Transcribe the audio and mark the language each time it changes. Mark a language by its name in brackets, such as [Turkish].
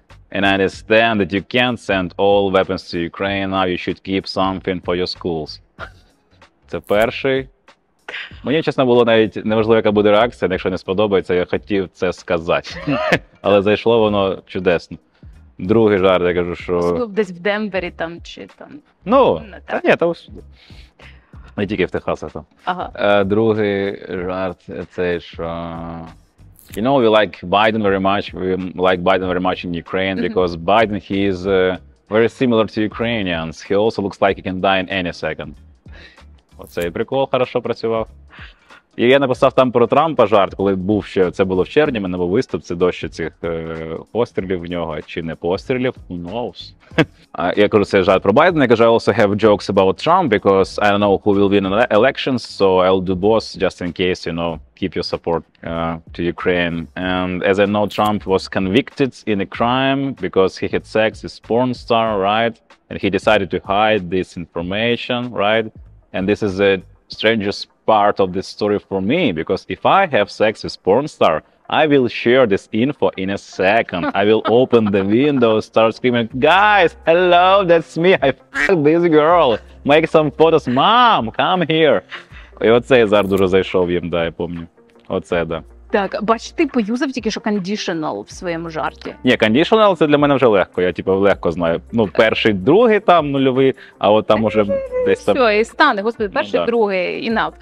[English] And I understand that you can't send all weapons to Ukraine. Now you should keep something for your schools. [Ukrainian] Це перший. Мені, чесно, було навіть неважливо, яка буде реакція, якщо не сподобається, я хотів це сказати. Але зайшло воно чудесно. Другий жарт, я кажу, що... Десь в Денвері там, чи там... Ну, та ні, там усюди. Не тільки в Техасах там. Ага. Другий жарт, це що... [English] You know, we like Biden very much. We like Biden very much in Ukraine, because Biden, he is very similar to Ukrainians. He also looks like he can die in any second. [Ukrainian] Оцей прикол хорошо працював. І я написав там про Трампа жарт, коли був ще, це було в червні, мене був виступ, це дощі цих пострілів в нього, чи не пострілів, [English] who knows. [Ukrainian] Я кажу, це жарт про Байден, я кажу, [English] I also have jokes about Trump, because I don't know who will win elections, so I'll do both, just in case, you know, keep your support to Ukraine. And as I know, Trump was convicted in a crime, because he had sex with porn star, right? And he decided to hide this information, right? And this is the strangest part of the story for me, because if I have sex with porn star, I will share this info in a second. I will open the window, start screaming, guys, hello, that's me, I f***ed this girl, make some photos, mom, come here. [Ukrainian] І оце зараз дуже зайшов їм, да, я пам'ятаю. Оце, да. Так, бач, ти поюзав тільки що кондішнал в своєму жарті. Ні, кондішнал це для мене вже легко, я типу легко знаю. Ну, перший, другий там нульовий, а от там уже десь там... Все, і стане, господи, перший, ну, да. Другий, [English] enough.